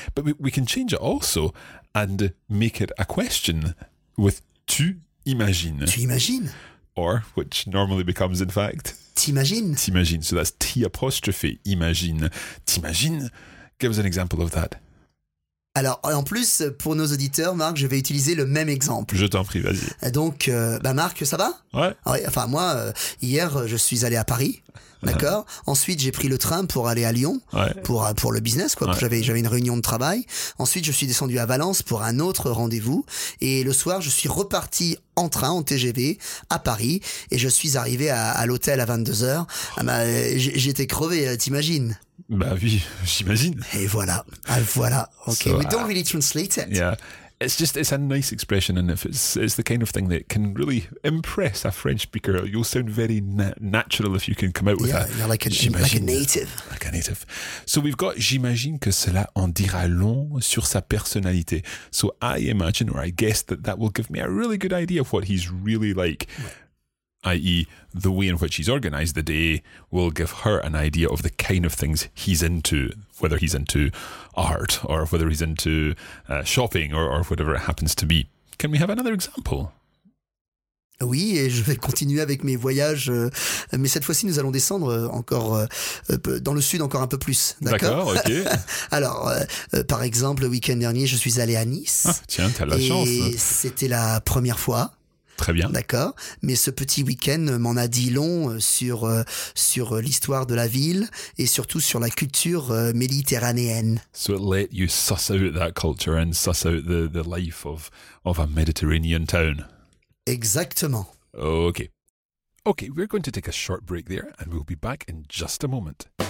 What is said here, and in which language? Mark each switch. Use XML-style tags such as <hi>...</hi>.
<en>But we can change it also and make it a question with</en> <fr>tu imagines. Tu imagines.</fr> <en>Or, which normally becomes, in fact...</en> <fr>T'imagines. T'imagines.</fr> <en>So that's t'apostrophe, imagine. T'imagines. Give us an example of that.</en> <fr>Alors, en plus, pour nos auditeurs, Marc, je vais utiliser le même exemple. Je t'en prie, vas-y. Donc, Marc, ça va ? Ouais. Ouais. Enfin, moi, hier, je suis allé à Paris, d'accord ? Ensuite, j'ai pris le train pour aller à Lyon, ouais, pour le business, quoi. Ouais. J'avais une réunion de travail. Ensuite, je suis descendu à Valence pour un autre rendez-vous. Et le soir, je suis reparti en train, en TGV, à Paris. Et je suis arrivé à l'hôtel à 22h. Oh. Ah, j'étais crevé, t'imagines ? Bah oui, j'imagine. Et voilà. Ah, voilà. Okay.</fr> <en>So, we don't really translate it. Yeah. It's a nice expression, and if it's the kind of thing that can really impress a French speaker, you'll sound very natural if you can come out with that. Yeah, you're like a native. Like a native. So we've got,</en> <fr>j'imagine que cela en dira long sur sa personnalité.</fr> <en>So I imagine, or I guess, that that will give me a really good idea of what he's really like, i.e. the way in which he's organized the day will give her an idea of the kind of things he's into, whether he's into art or whether he's into shopping or whatever it happens to be. Can we have another example?</en> <fr>Oui, et je vais continuer avec mes voyages, mais cette fois-ci nous allons descendre encore dans le sud, encore un peu plus, d'accord? D'accord, ok. Alors, par exemple, le week-end dernier, je suis allé à Nice. Ah, tiens, t'as la chance. Et c'était la première fois. Très bien. D'accord. Mais ce petit week-end m'en a dit long sur l'histoire de la ville et surtout sur la culture méditerranéenne.</fr> <en>So it let you suss out that culture and suss out the life of a Mediterranean town.</en> <fr>Exactement.</fr> <en>Okay. Okay, we're going to take a short break there and we'll be back in just a moment.</en>